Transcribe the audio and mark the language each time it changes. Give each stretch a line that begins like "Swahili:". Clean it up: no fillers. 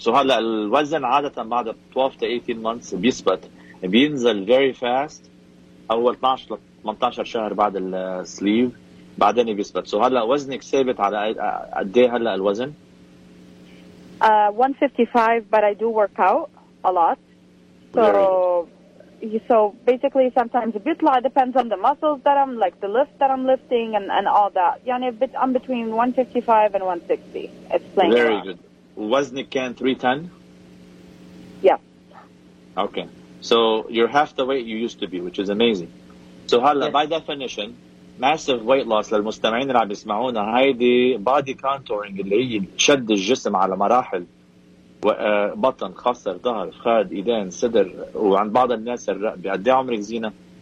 Arabic: So هلا الوزن عادة بعد 12 to 18 months بيثبت بينزل very fast أول 12 18 شهر بعد السليف بعدين بيثبت. So هلا وزنك ثابت على قد إيه هلا الوزن؟
English: 155 but I do work out a lot. So So basically sometimes a bit like depends on the muscles that I'm like the lift that I'm lifting and all that. Yani a bit I'm between 155 and 160. It's plain. Very good. Wasn't can 310? Yeah. Okay. So you're half the weight you used to be, which is amazing.
Arabic: So هلا yes. By definition, massive weight loss للمستمعين اللي عم يسمعونا هيدي body contouring اللي هي شد الجسم على مراحل بطن خصر ظهر خاد ايدين صدر وعند بعض الناس الرقبه قد ايه عمرك زينه؟